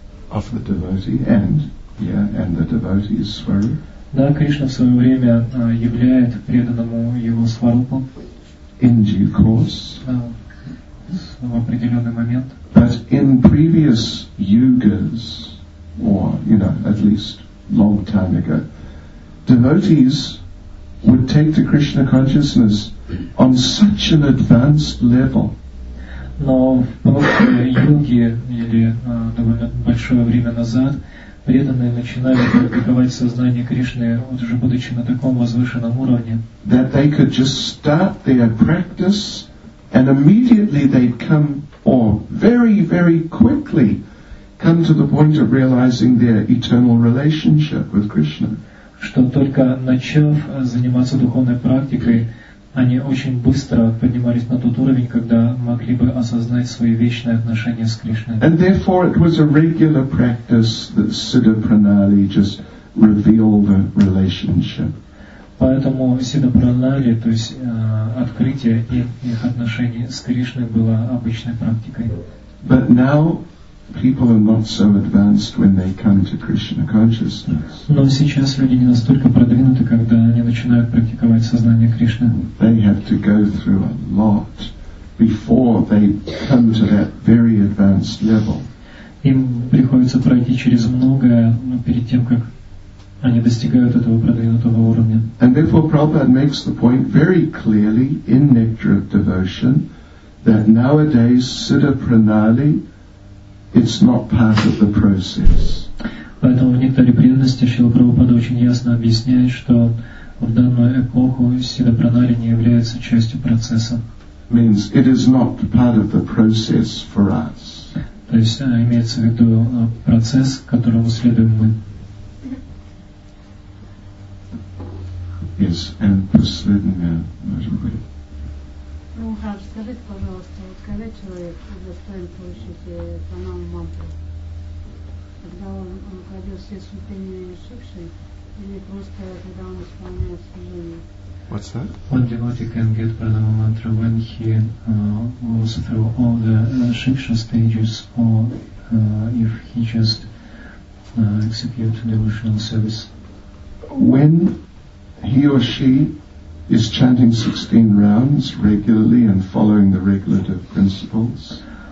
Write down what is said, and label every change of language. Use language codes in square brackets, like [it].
[en] of the devotee, and the devotee's Swarupa. [ru] Да, Кришна в свое время являет преданному его сварупу. [en] In due course. [ru] В определенный момент. [en] But in previous yugas, or, you know, at least long time ago, devotees would take to Krishna consciousness on such an advanced level. [ru] Но в прошлой юге, или довольно большое время назад, преданные начинали практиковать сознание Кришны, вот уже будучи на таком возвышенном уровне, [en] that they could just start their practice and immediately they'd come, or very, very quickly, come to the point of realizing their eternal relationship with Krishna. [ru] Что только начав заниматься духовной практикой, они очень быстро поднимались на тот уровень, когда могли бы осознать свои вечные отношения с Кришной. [en] And therefore it was a regular practice that Siddha Pranali just revealed the relationship. [ru] Поэтому Siddha Pranali, то есть открытие их отношений с Кришной было обычной практикой. [en] But now people are not so advanced when they come to Krishna consciousness. [ru] Но сейчас люди не настолько продвинуты, когда они начинают практиковать сознание Кришны. [en] They have to go through a lot before they come to that very advanced level. [ru] Им приходится пройти через многое, перед тем как они достигают этого продвинутого уровня. [en] And therefore Prabhupada makes the point very clearly in Nectar of Devotion that nowadays Siddha Pranali, it's not part of the process. [ru] Поэтому в некоторой преданности Шрила Прабхупада очень ясно объясняет, что в данную эпоху Сидда Пранали не является частью процесса. [en] Means it is not part of the process for us. [ru] То есть имеется в виду процесс, которому следуем мы. [en] Yes, and [ru] последнее, может быть. Ну, Махарадж, скажите, пожалуйста, вот когда человек достоин получить пранаму мантру, когда он пройдет все ступени инструкции, или просто когда он исполняет служение? [en] What's that? One devotee can get pranama mantra when he goes through all the shiksha stages or if he just executes devotional service. When he or she is chanting 16 rounds regularly and following the regulative principles,